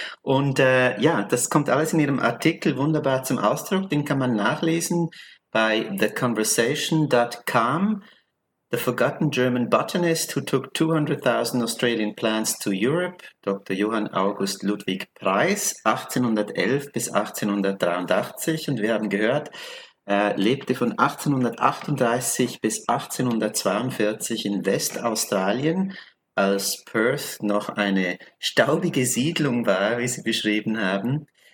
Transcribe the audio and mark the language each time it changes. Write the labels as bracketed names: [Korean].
[German] Und ja, das kommt alles in Ihrem Artikel wunderbar zum Ausdruck. Den kann man nachlesen bei theconversation.com. [English] The Forgotten German Botanist Who Took 200,000 Australian Plants to Europe, Dr. [German] Johann August Ludwig Preiss, 1811 bis 1883. Und wir haben gehört, er lebte von 1838 bis 1842 in Westaustralien, als Perth noch eine staubige Siedlung war, wie Sie beschrieben haben.